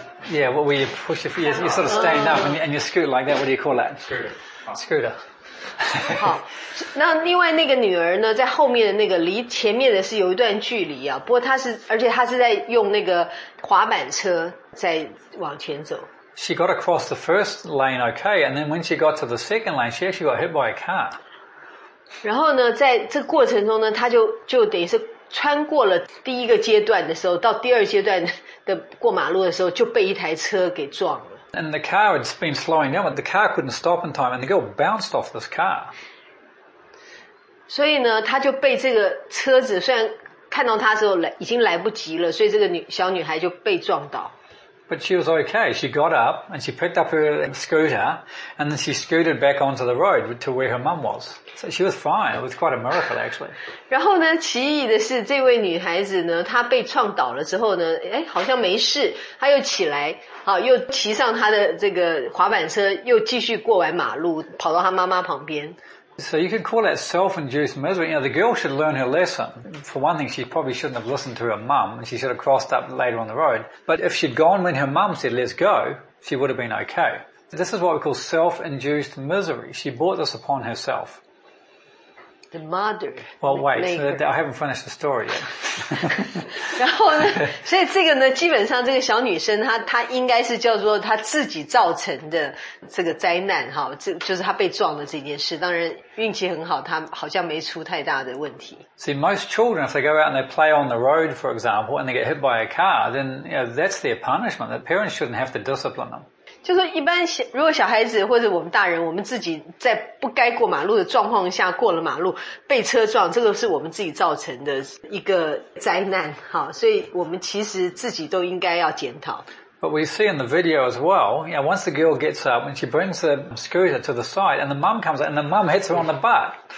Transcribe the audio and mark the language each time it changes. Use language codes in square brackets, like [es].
[en] Yeah, well, where you push your feet, you sort of stand up and you scoot like that. What do you call that? Scooter. [zh] 好，那另外那个女儿呢，在后面的那个离前面的是有一段距离啊。不过她是，而且她是在用那个滑板车在往前走。 [en] She got across the first lane okay, and then when she got to the second lane, she actually got hit by a car. [zh] 然后呢，在这过程中呢，他就等于是穿过了第一个阶段的时候，到第二阶段的过马路的时候，就被一台车给撞了。 [en] And the car had been slowing down, but the car couldn't stop in time, and the girl bounced off this car. [zh] 所以呢，他就被这个车子，虽然看到他的时候已经来不及了，所以这个小女孩就被撞倒。 [en] But she was okay. She got up and she picked up her scooter and then she scooted back onto the road to where her mum was. So she was fine. It was quite a miracle actually. [zh] 然后呢，奇异的是这位女孩子呢，她被撞倒了之后呢，哎，好像没事，她又起来，好，又骑上她的这个滑板车，又继续过完马路，跑到她妈妈旁边。 [en] So you could call that self-induced misery. You know, the girl should learn her lesson. For one thing, she probably shouldn't have listened to her mum, and she should have crossed up later on the road. But if she'd gone when her mum said, let's go, she would have been okay. This is what we call self-induced misery. She brought this upon herself. The mother. Well, wait, I haven't finished the story yet. [zh] 然后呢，所以这个呢，基本上这个小女生她应该是叫做她自己造成的这个灾难哈，这就是她被撞的这件事。当然运气很好，她好像没出太大的问题。 [en] See, most children, if they go out and they play on the road, for example, and they get hit by a car, then you know, that's their punishment. The parents shouldn't have to discipline them. [zh] 就是一般如果小孩子或者我们大人我们自己在不该过马路的状况下过了马路被车撞这个是我们自己造成的一个灾难好所以我们其实自己都应该要检讨 [en] But we see in the video as well you know, once the girl gets up and she brings the scooter to the side and the mum comes up and the mum hits her on the butt